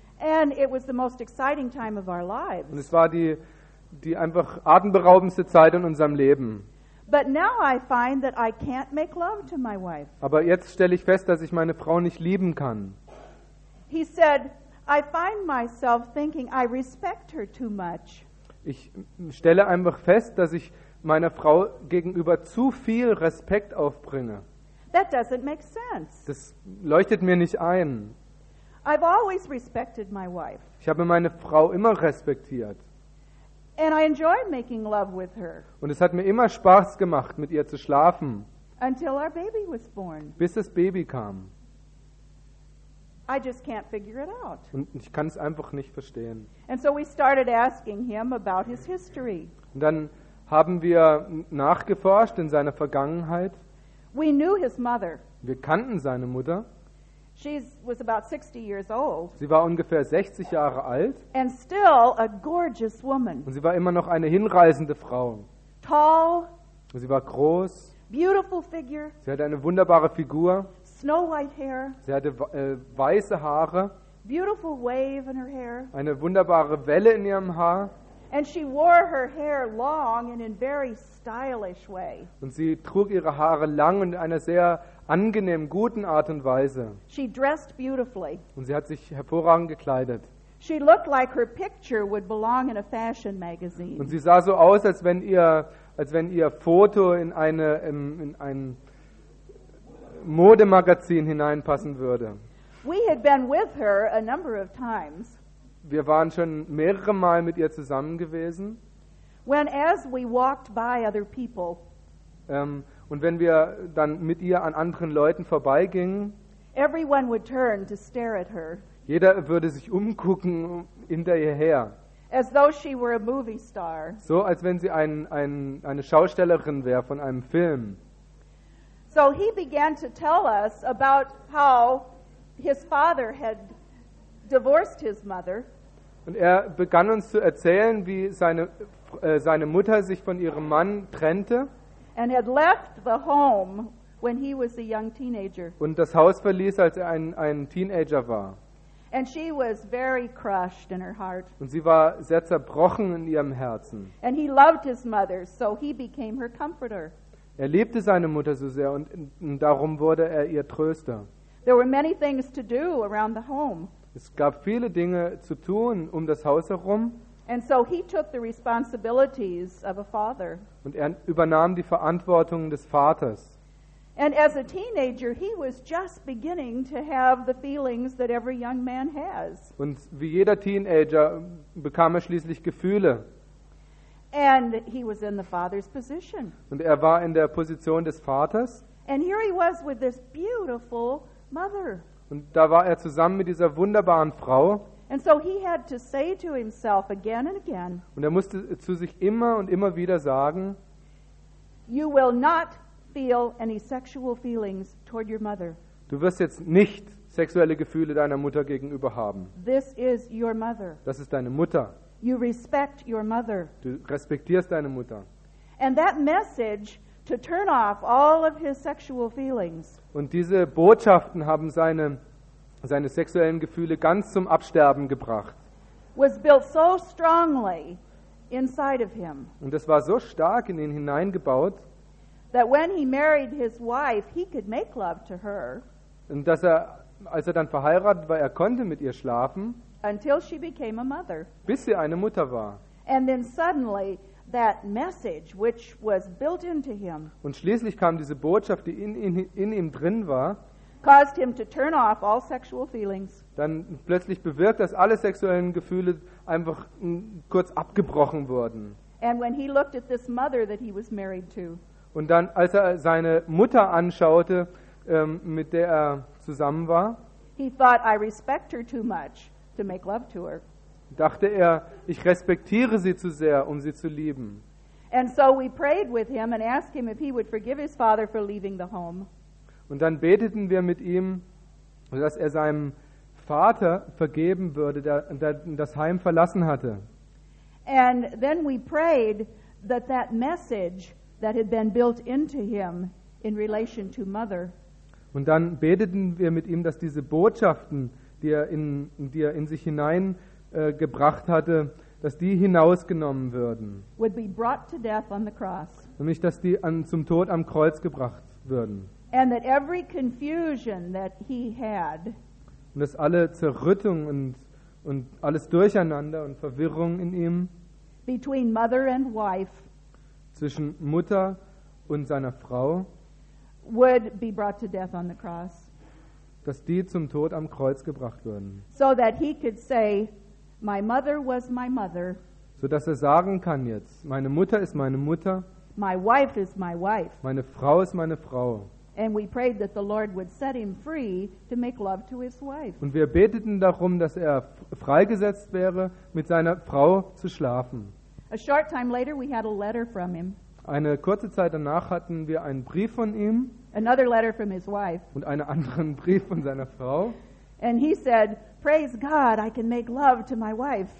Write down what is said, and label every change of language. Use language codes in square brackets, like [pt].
[en] And it was the most exciting time of our lives. [de] Und es war die einfach atemberaubendste Zeit in unserem Leben. [en] But now I find that I can't make love to my wife. [de] Aber jetzt stelle ich fest, dass ich meine Frau nicht lieben kann. [en] He said, I find myself thinking I respect her too much. [de] Ich stelle einfach fest, dass ich meiner Frau gegenüber zu viel Respekt aufbringe. [en] That doesn't make sense. [de] Das leuchtet mir nicht ein. [en] I've always respected my wife. [de] Ich habe meine Frau immer respektiert. [en] And I enjoy making love with her. [de] Und es hat mir immer Spaß gemacht, mit ihr zu schlafen. [en] Until our baby was born. [de] Bis das Baby kam. [en] I just can't figure it out. [de] Und ich kann es einfach nicht verstehen. [en] And so we started asking him about his history. [de] Und dann haben wir nachgeforscht in seiner Vergangenheit. [en] We knew his mother. [de] Wir kannten seine Mutter. [en] She was about 60 years old. [de] Sie war ungefähr 60 Jahre alt. [en] And still a gorgeous woman. [de] Und sie war immer noch eine hinreißende Frau. [en] Tall. [de] Und sie war groß. [en] Beautiful figure. [de] Sie hatte eine wunderbare Figur. [en] Snow white hair. [de] Sie hatte weiße Haare. [en] Beautiful wave in her hair. [de] Eine wunderbare Welle in ihrem Haar. [en] And she wore her hair long and in a very stylish way. [de] Und sie trug ihre Haare lang und in einer sehr angenehmen, guten Art und Weise. [en] She dressed beautifully. [de] Und sie hat sich hervorragend gekleidet. [en] She looked like her picture would belong in a fashion magazine. [de] Und sie sah so aus, als wenn ihr Foto in ein Modemagazin hineinpassen würde. [en] We had been with her a number of times. [de] Wir waren schon mehrere Mal mit ihr zusammen gewesen. [en] When, as we walked by other people, [de] und wenn wir dann mit ihr an anderen Leuten vorbeigingen, [en] everyone would turn to stare at her, [de] jeder würde sich umgucken hinter ihr her. [en] As though she were a movie star. [de] So als wenn sie eine Schaustellerin wäre von einem Film. [en] So he began to tell us about how his father had divorced his mother. [de] Und er begann uns zu erzählen, wie seine Mutter sich von ihrem Mann trennte. [en] And had left the home when he was a young teenager. [de] Und das Haus verließ, als er ein Teenager war. [en] And she was very crushed in her heart. [de] Und sie war sehr zerbrochen in ihrem Herzen. [en] And he loved his mother, so he became her comforter. [de] Er liebte seine Mutter so sehr und darum wurde er ihr Tröster. [en] There were many things to do around the home. [de] Es gab viele Dinge zu tun um das Haus herum. [en] And so he took the responsibilities of a father. [de] Und er übernahm die Verantwortung des Vaters. [en] And as a teenager, he was just beginning to have the feelings that every young man has. [de] Und wie jeder Teenager bekam er schließlich Gefühle. [en] And he was in the father's position. [de] Und er war in der Position des Vaters. [en] And here he was with this beautiful mother. [de] Und da war er zusammen mit dieser wunderbaren Frau. [en] And so he had to say to himself again and again. [de] Und er musste zu sich immer und immer wieder sagen, [en] you will not feel any sexual feelings toward your mother. [de] Du wirst jetzt nicht sexuelle Gefühle deiner Mutter gegenüber haben. [en] This is your mother. [de] Das ist deine Mutter. [en] You respect your mother. [de] Du respektierst deine Mutter. [en] And that message to turn off all of his sexual feelings. [de] Und diese Botschaften haben seine sexuellen Gefühle ganz zum Absterben gebracht. [en] Was built so strongly inside of him. [de] Und es war so stark in ihn hineingebaut. [en] That when he married his wife, he could make love to her. [de] Und dass er, als er dann verheiratet war, er konnte mit ihr schlafen. [en] Until she became a mother. [de] Bis sie eine Mutter war. [en] And then suddenly that message, which was built into him. [de] Und schließlich kam diese Botschaft, die in ihm drin war. [en] Caused him to turn off all sexual feelings. [de] Dann plötzlich bewirkt, dass alle sexuellen Gefühle einfach kurz abgebrochen wurden. [en] And when he looked at this mother that he was married to. [de] Und dann, als er seine Mutter anschaute, mit der er zusammen war, [en] he thought, I respect her too much to make love to her. [de] Dachte er, ich respektiere sie zu sehr, um sie zu lieben. [en] And so we prayed with him and asked him if he would forgive his father for leaving the home. [de] Und dann beteten wir mit ihm, dass er seinem Vater vergeben würde, der das Heim verlassen hatte. [en] And then we prayed that message that had been built into him in relation to mother. [de] Und dann beteten wir mit ihm, dass diese Botschaften, die er in sich hinein gebracht hatte, dass die hinausgenommen würden. [en] Would be brought to death on the cross. [de] Nämlich, dass die zum Tod am Kreuz gebracht würden. [en] And that every confusion that he had. [de] Und dass alle Zerrüttung und alles Durcheinander und Verwirrung in ihm. [en] Between mother and wife. [de] Zwischen Mutter und seiner Frau. [en] Would be brought to death on the cross. [de] Dass die zum Tod am Kreuz gebracht würden. [en] So that he could say, my mother was my mother. [de] So dass er sagen kann jetzt, meine Mutter ist meine Mutter. [en] My wife is my wife. [de] Meine Frau ist meine Frau. [en] And we prayed that the Lord would set him free to make love to his wife. [de] Und wir beteten darum, dass er freigesetzt wäre, mit seiner Frau zu schlafen. [en] A short time later we had a letter from him. [de] Eine kurze Zeit danach hatten wir einen Brief von ihm. [en] Another letter from his wife. [de] Und einen anderen Brief von seiner Frau. [en] And he said, "Praise God, I can make love to my wife."